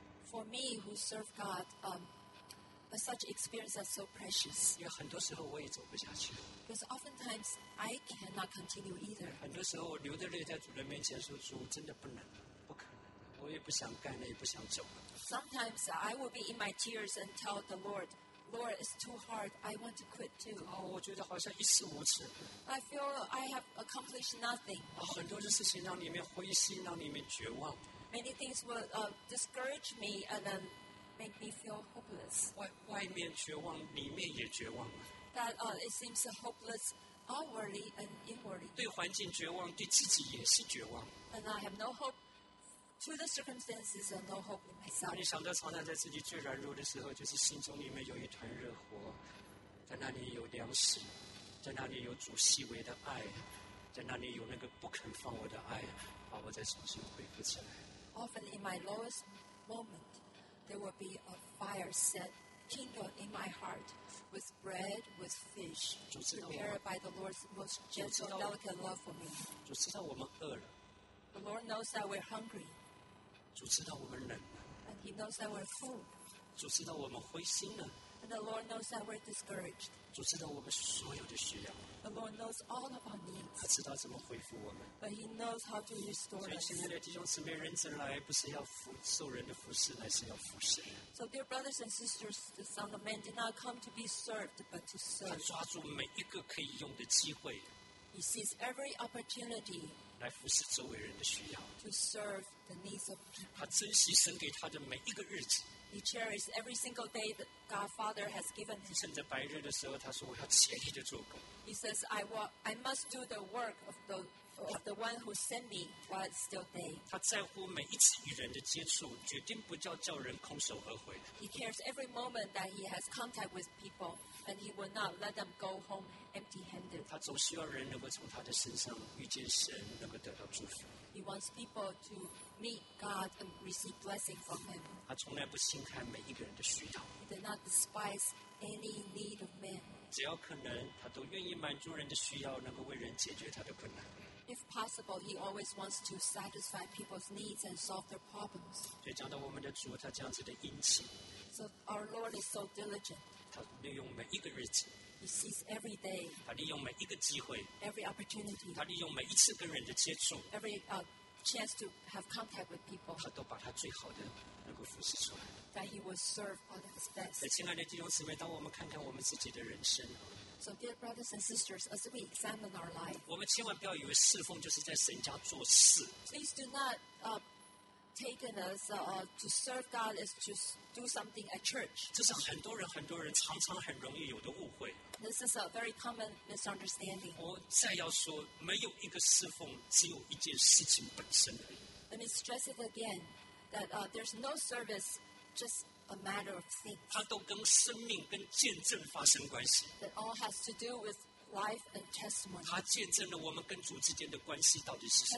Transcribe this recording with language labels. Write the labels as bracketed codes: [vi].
[en] For me, who serve God, such experiences are so precious. [zh] 因为很多时候我也走不下去。 [en] Because oftentimes I cannot continue either. [zh] 很多时候我流着泪在主的面前说：“主，真的不能，不可能，我也不想干了，也不想走了。” [en] Sometimes I will be in my tears and tell the Lord, "Lord, it's too hard. I want to quit too." [zh] 哦，我觉得好像一事无成。 [en] I feel I have accomplished nothing. [zh] 哦，很多的事情让你们灰心，让你们绝望。 [en] Many things will discourage me and then make me feel hopeless. [zh] 外面绝望，里面也绝望。 [en] That it seems hopeless outwardly and inwardly. [zh] 对环境绝望，对自己也是绝望。 [en] And I have no hope to the circumstances and no hope in myself. [zh] 你想到常常在自己最软弱的时候，就是心中里面有一团热火，在那里有粮食，在那里有主细微的爱，在那里有那个不肯放我的爱，把我再重新恢复起来。 [en] Often in my lowest moment, there will be a fire set kindled in my heart with bread, with fish, prepared by the Lord's most gentle, delicate love for me. [zh] 主知道我们饿了。 [en] The Lord knows that we're hungry. [zh] 主知道我们冷了。 [en] And He knows that we're full. [zh] 主知道我们灰心了。 [en] And the Lord knows that we're discouraged. [zh] 主知道我们所有的需要。 [en] The Lord knows all of our needs. [zh] 他知道怎么恢复我们。 [en] But He knows how to restore us. [zh] 所以亲爱的弟兄姊妹，人生来不是要受人的服侍，乃是要服侍。 [en] So dear brothers and sisters, the Son of Man did not come to be served, but to serve. [zh] 他抓住每一个可以用的机会。 [en] He sees every opportunity. [zh] 来服侍周围人的需要。 [en] To serve the needs of people. [zh] 他珍惜神给他的每一个日子。 [en] He cherishes every single day that God Father has given him. [zh] 趁着白日的时候，他说：“我要竭力的做工。” [en] He says, "I must do the work of the one who sent me while it's still day." [zh] 他在乎每一次与人的接触，决定不叫人空手而回。 [en] He cares every moment that he has contact with people, and he will not let them go home empty-handed. [zh] 他总希望人能够从他的身上遇见神，能够得到祝福。 [en] He wants people to meet God and receive blessing from Him. [zh] 他从来不轻看每一个人的需要。 [en] He does not despise any need of man. [zh] 只要可能，他都愿意满足人的需要，能够为人解决他的困难。 [en] If possible, He always wants to satisfy people's needs and solve their problems. [zh] 所以讲到我们的主，他这样子的殷勤。 [en] So our Lord is so diligent. [zh] 他利用每一个日子。 [en] He sees every day. [zh] 他利用每一个机会。 [en] Every opportunity. [zh] 他利用每一次跟人的接触。 [en] Every chance to have contact with people. [zh] 他都把他最好的能够服侍出来。 [en] That he will serve all of his best. [zh] 亲爱的弟兄姊妹，当我们看看我们自己的人生。 [en] So dear brothers and sisters, as we examine our life. [zh] 我们千万不要以为侍奉就是在神家做事。 [en] Please do not taken as to serve God is to do something at church. [zh] 这是很多人很多人常常很容易有的误会。 [en] This is a very common misunderstanding. [zh] 我再要说，没有一个侍奉，只有一件事情本身而已。 [en] Let me stress it again that there's no service, just a matter of things. [zh] 它都跟生命跟见证发生关系。 [en] It all has to do with life and testimony. [zh] 它见证了我们跟主之间的关系到底是什么。